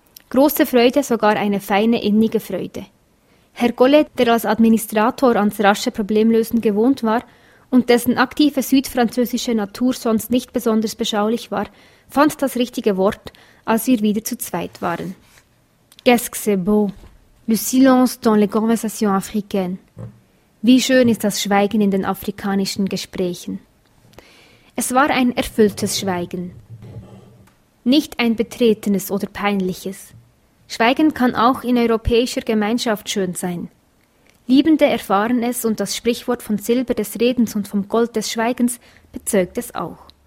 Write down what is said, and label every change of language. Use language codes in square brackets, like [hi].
[de] Große Freude, sogar eine feine, innige Freude. Herr Collet, der als Administrator ans rasche Problemlösen gewohnt war und dessen aktive südfranzösische Natur sonst nicht besonders beschaulich war, fand das richtige Wort, als wir wieder zu zweit waren. [fr] «Qu'est-ce que c'est beau, le silence dans les conversations africaines. [de] Wie schön ist das Schweigen in den afrikanischen Gesprächen.» Es war ein erfülltes Schweigen. Nicht ein betretenes oder peinliches. Schweigen kann auch in europäischer Gemeinschaft schön sein. Liebende erfahren es und das Sprichwort von Silber des Redens und vom Gold des Schweigens bezeugt es auch.